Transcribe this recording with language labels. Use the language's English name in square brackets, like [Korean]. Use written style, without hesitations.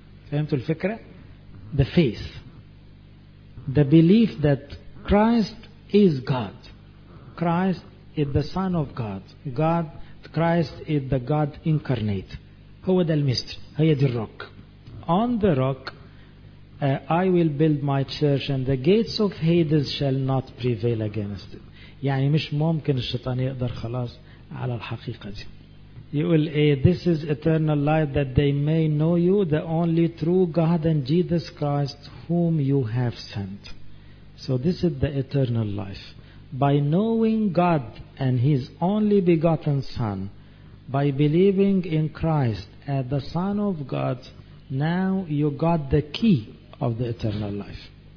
[Arabic] فهمتوا الفكرة؟ [English] The faith. The belief that Christ is God. Christ is the Son of God. God, Christ is the God incarnate. [Arabic] هو ده المستر. هي دي الروك. [English] On the rock, I will build my church and the gates of Hades shall not prevail against it. [Arabic] يعني مش ممكن الشيطان يقدر خلاص على الحقيقة دي. يقول إيه, [English] "This is eternal life, that they may know you, the only true God and Jesus Christ whom you have sent." So this is the eternal life. By knowing God and His only begotten Son, by believing in Christ as the Son of God, now you got the key of the eternal life.